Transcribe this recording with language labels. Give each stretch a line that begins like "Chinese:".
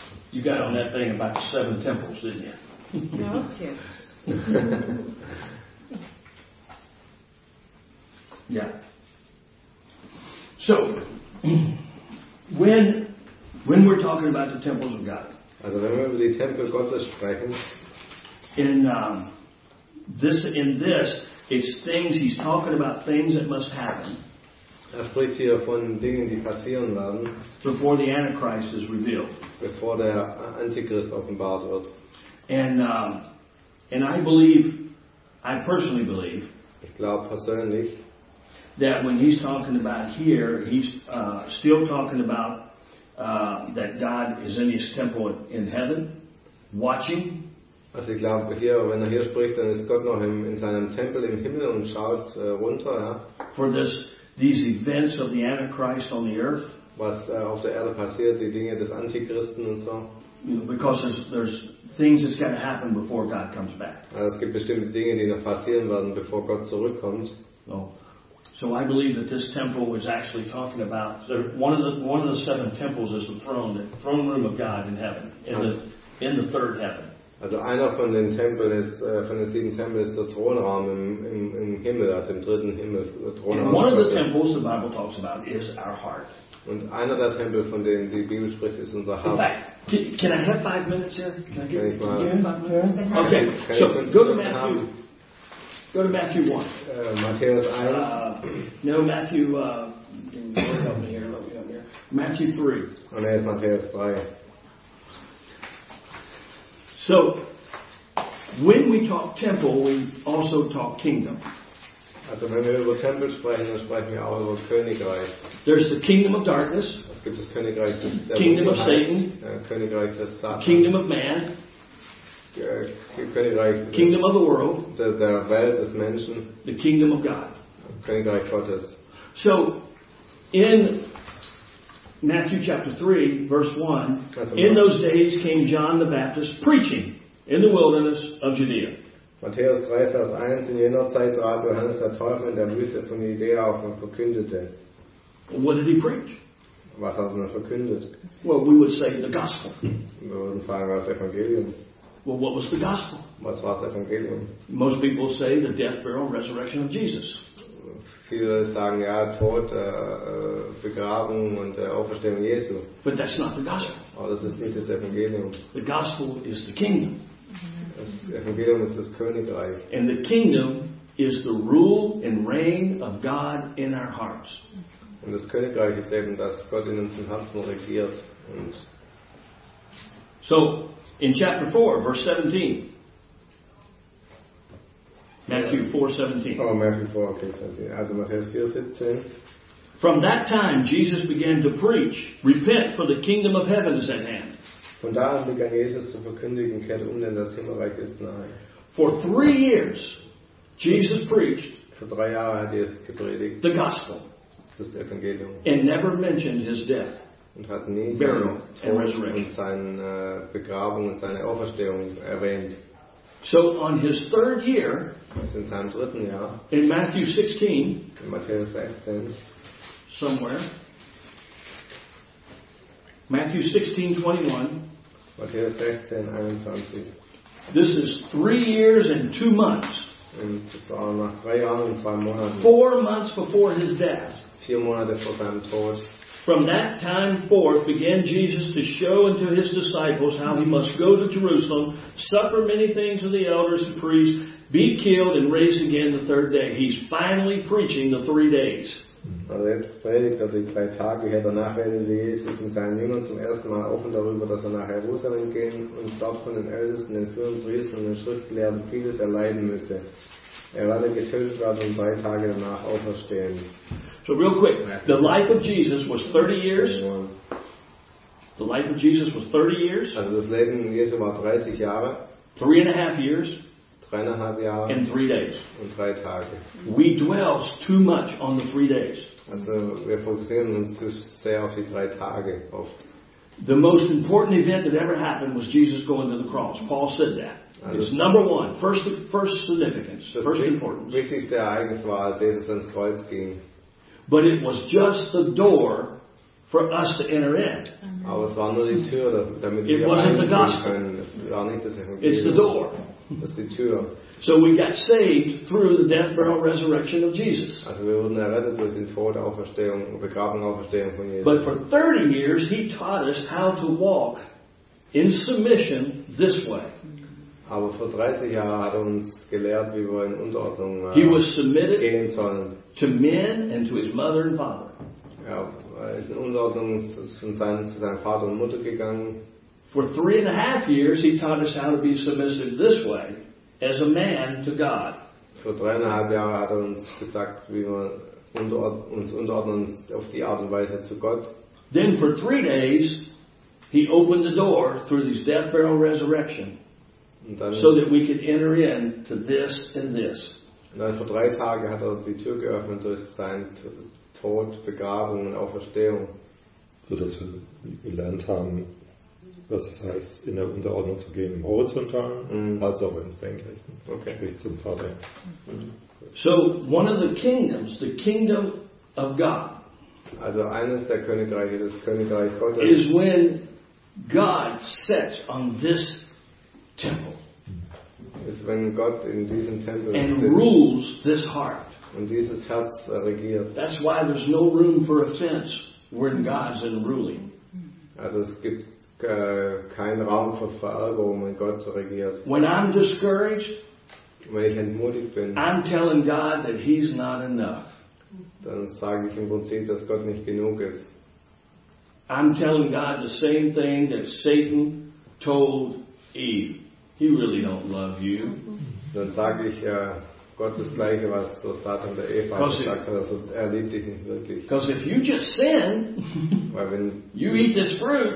English: You got on that thing about seven temples, didn't you? No, yes. Yeah. So, when we're talking about the temple of God,
German: also wenn wir über die Tempel Gottes sprechen,
English: in this, it's things he's talking about things that must happen.
German: Er spricht hier von Dingen, die passieren werden,
English: before the Antichrist is revealed.
German: Bevor der Antichrist offenbart wird.
English: And I personally believe,
German: ich glaube persönlich,
English: that when he's talking about here, he's still talking about that God is in his temple in heaven, watching.
German: Also ich glaube hier, wenn hier spricht, dann ist Gott noch in seinem Tempel im Himmel und schaut runter. Ja.
English: For these events of the Antichrist on the earth.
German: Was auf der Erde passiert, die Dinge des Antichristen und so.
English: You know, because there's things that's going to happen before God comes back.
German: Es gibt bestimmte Dinge, die noch passieren werden, bevor Gott zurückkommt.
English: So I believe that this temple was actually talking about one of the seven temples is the throne room of God in heaven, in the third heaven.
German: Also einer von den Tempeln ist von den sieben Tempeln ist der Thronraum im Himmel, also im dritten Himmel Thronraum.
English: And one of the temples the Bible talks about is our heart.
German: Und einer der Tempel, von denen die Bibel spricht, ist unser Herz.
English: In fact, can I have 5 minutes here? Can I give you 5 minutes? Okay, so go to Matthew. Go to Matthew 1.
German: Matthäus 1.
English: Matthew, help me here. Matthew 3.
German: Und er ist Matthäus 3.
English: So, when we talk temple, we also talk kingdom.
German: Also wenn wir über Tempel sprechen, dann sprechen wir auch über Königreich.
English: There's the kingdom of darkness.
German: Es gibt das Königreich des
English: Kingdom of Satan.
German: Königreich des Satan.
English: Kingdom of man.
German: Königreich.
English: Kingdom of the world.
German: Der Welt des Menschen.
English: The kingdom of God.
German: Königreich Gottes.
English: So, in Matthew chapter 3, verse 1, in those days came John the Baptist preaching in the wilderness of Judea.
German: Matthäus 3, Vers 1, in jener Zeit trat Johannes der Täufer in der Wüste von Judäa auf und verkündete.
English: What did he preach?
German: Was hat er verkündet?
English: Well, we would say the gospel.
German: Wir würden sagen, was Evangelium.
English: Well, what was the gospel?
German: Was war das Evangelium?
English: Most people say the death, burial, and resurrection of Jesus.
German: Viele sagen, ja, Tod, Begrabung und Auferstehung Jesu.
English: But that's not the gospel.
German: Aber das ist nicht das Evangelium.
English: The gospel is the kingdom.
German: Das Evangelium ist das Königreich.
English: And the kingdom is the rule and reign of God in our hearts.
German: Und das Königreich ist eben, dass Gott in unseren Herzen regiert. Und
English: so, in chapter 4, verse 17. Matthew 4, 17. Oh, Matthew 4, okay, 17.
German: Also Matthäus 4, 17.
English: From that time Jesus began to preach, repent, for the kingdom of heaven is at hand.
German: Von da an begann Jesus zu verkündigen, kehrt um, denn das Himmelreich ist nahe.
English: For 3 years, Jesus preached.
German: Für 3 Jahre hat Jesus gepredigt.
English: The gospel.
German: Das Evangelium.
English: And never mentioned his death.
German: Und hat nie seinen Tod und seine Begrabung und seine Auferstehung erwähnt.
English: So on his third year.
German: In seinem dritten Jahr.
English: In Matthew 16.
German: In Matthäus 16.
English: Somewhere. Matthew 16, 21.
German: Matthäus 16, 21.
English: This is 3 years and 2 months.
German: Und das war nach 3 Jahren und 2 Monaten.
English: 4 months before his death.
German: 4 Monate vor seinem Tod.
English: From that time forth began Jesus to show unto his disciples how he must go to Jerusalem, suffer many things of the elders and priests, be killed and raised again the third day. He's finally preaching the 3 days.
German: Also jetzt predigt er die 3 Tage, hätte er nachher Jesus mit seinen Jüngern zum ersten Mal offen darüber, dass er nach Jerusalem gehen und dort von den Ältesten, den führenden Priestern und den Schriftgelehrten vieles erleiden müsse. Er werde getötet werden und 3 Tage danach auferstehen.
English: So real quick, the life of Jesus was 30 years. The life of Jesus was 30 years.
German: Also das Leben Jesu war 30 Jahre.
English: 3.5 years.
German: 3.5 Jahre.
English: And 3 days.
German: Und 3 Tage.
English: We dwell too much on the 3 days.
German: Also wir fokussieren uns zu sehr auf die 3 Tage oft.
English: The most important event that ever happened was Jesus going to the cross. Paul said that. Also it's number one, first significance, first importance.
German: Das wichtigste Ereignis war, als Jesus ins Kreuz ging.
English: But it was just the door for us to enter in.
German: Aber es war nur die Tür, damit
English: it wasn't the gospel.
German: Es war nicht das Evangelium.
English: It's the door.
German: Das ist die Tür.
English: So we got saved through the death, burial, resurrection of Jesus.
German: Also wir wurden errettet durch den Tod, Auferstehung, Begrabung, Auferstehung von Jesus.
English: But for 30 years he taught us how to walk in submission this way.
German: Aber vor 30 Jahren hat er uns gelehrt, wie wir in Unterordnung
English: he was submitted
German: gehen sollen.
English: To men and to his mother and father.
German: Ja, er ist in Unterordnung zu seinem Vater und Mutter gegangen.
English: For 3.5 years, he taught us how to be submissive this way, as a man to God.
German: Vor 3.5 Jahren hat er uns gesagt, wie wir uns unterordnen auf die Art und Weise zu Gott.
English: Then for 3 days, he opened the door through his death, burial, resurrection, so that we could enter in to this and this.
German: Und dann vor 3 Tagen hat er die Tür geöffnet durch seinen Tod, Begrabung und Auferstehung. So dass wir gelernt haben, was es heißt, in der Unterordnung zu gehen, im Horizontalen, als auch im Senkrechten,
English: okay.
German: Sprich zum Vater.
English: So, one of the kingdoms, the kingdom of God,
German: also eines der Königreiche, das Königreich Gottes,
English: is when God sets on this temple.
German: Ist, wenn Gott in diesem Tempel
English: and
German: sitzt
English: rules this heart.
German: Und dieses Herz regiert.
English: That's why there's no room for offense when God's in ruling.
German: Also es gibt kein Raum für Verärgerung, wenn Gott regiert.
English: When I'm discouraged,
German: wenn ich entmutigt bin,
English: I'm telling God that he's not enough.
German: Dann sage ich im Prinzip, dass Gott nicht genug ist.
English: I'm telling God the same thing that Satan told Eve. He really don't love you.
German: Dann sage ich Gott das Gleiche, was der Satan der Eva gesagt hat. Also, er liebt dich nicht wirklich.
English: Because if you just sin, you eat this fruit.